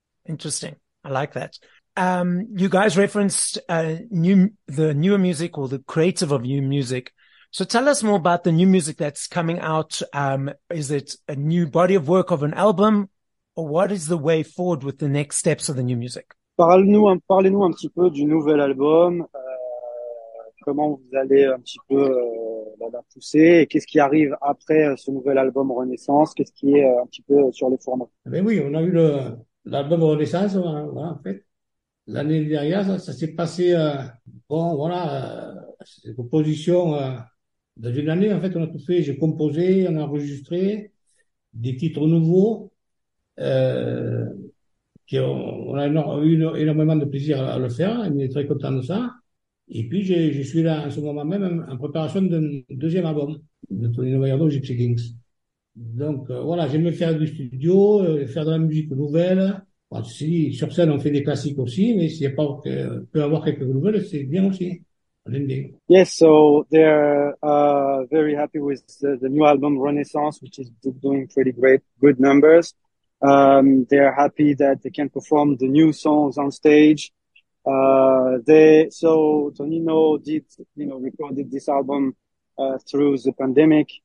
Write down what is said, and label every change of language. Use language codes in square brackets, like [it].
[en] Interesting, I like that. You guys referenced the newer music or the creative of new music. So tell us more about the new music that's coming out. Is it a new body of work of an album? Or what is the way forward with the next steps of the new music? [fr] Parlez-nous un petit peu du nouvel album. Comment vous allez un petit peu la pousser et qu'est-ce qui arrive après ce nouvel album Renaissance? Qu'est-ce qui est un petit peu sur les fourneaux? Ben oui, on a eu l'album Renaissance, voilà, en fait. L'année dernière, ça s'est passé, c'est une composition dans une année, en fait, on a tout fait. J'ai composé, on a enregistré des titres nouveaux. On a eu énormément de plaisir à le faire, on est très content de ça. Et puis, je suis là en ce moment même en préparation d'un deuxième album de Tonino Baliardo, Gipsy Kings. Donc, voilà, j'aime bien faire du studio, faire de la musique nouvelle. Bon, si, sur scène, on fait des classiques aussi, mais s'il n'y a pas peut avoir quelques nouvelles, c'est bien aussi. On aime bien. [en] Yes, so they're very happy with the new album Renaissance, which is doing pretty great, good numbers. They're happy that they can perform the new songs on stage. So Tonino recorded this album through the pandemic.